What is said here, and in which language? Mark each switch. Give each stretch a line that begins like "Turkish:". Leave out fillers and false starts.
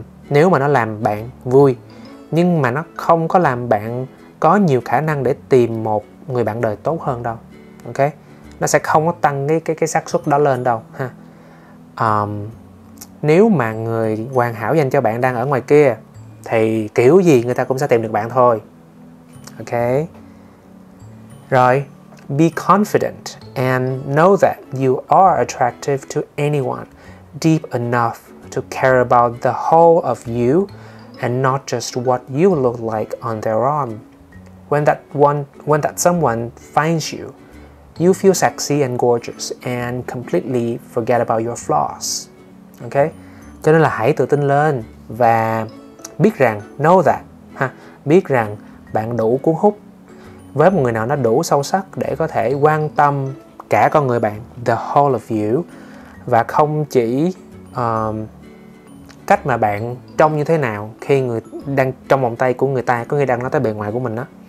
Vietnamese: Nếu mà nó làm bạn vui, nhưng mà nó không có làm bạn có nhiều khả năng để tìm một người bạn đời tốt hơn đâu. Ok? Nó sẽ không có tăng cái xác suất đó lên đâu ha. Nếu mà người hoàn hảo dành cho bạn đang ở ngoài kia thì kiểu gì người ta cũng sẽ tìm được bạn thôi. Ok?
English: Rồi, be confident and know that you are attractive to anyone deep enough to care about the whole of you and not just what you look like on their arm. When that someone finds you, you feel sexy and gorgeous and completely forget about your flaws. Okay?
Vietnamese: Cho nên là hãy tự tin lên và biết rằng,
English: know that,
Vietnamese: ha, biết rằng bạn đủ cuốn hút với một người nào nó đủ sâu sắc để có thể quan tâm cả con người bạn,
English: the whole of you,
Vietnamese: và không chỉ cách mà bạn trông như thế nào khi người đang trong vòng tay của người ta, có người đang nói tới bề ngoài của mình đó.